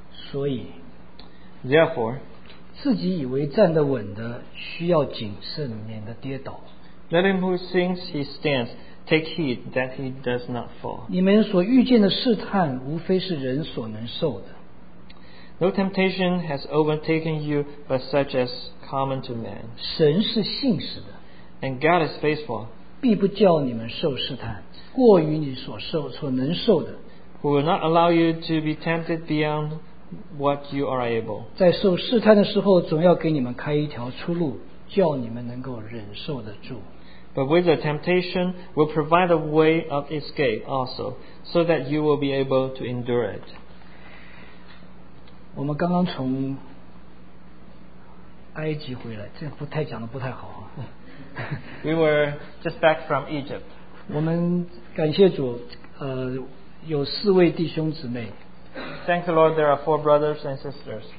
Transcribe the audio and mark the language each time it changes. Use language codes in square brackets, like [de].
[zh] 所以 [en] Therefore, [zh] 自己以为站得稳的需要谨慎，免得跌倒。 [en] Let him who thinks he stands take heed that he does not fall. [zh] 你们所遇见的试探，无非是人所能受的。 [en] No temptation has overtaken you but such as common to man. [zh] 神是信实的。 [en] And God is faithful. [zh] 必不叫你们受试探，过于你所能受的。 [en] Who will not allow you to be tempted beyond what you are able. [zh] 在受试探的时候，总要给你们开一条出路，叫你们能够忍受得住。 [en] But with the temptation, will provide a way of escape also, so that you will be able to endure it. [zh] 我们刚刚从埃及回来，这不太讲的不太好。 [en] We were just back from Egypt. [zh] 我们感谢主，有四位弟兄姊妹。 [en] Thank the Lord, there are four brothers and sisters.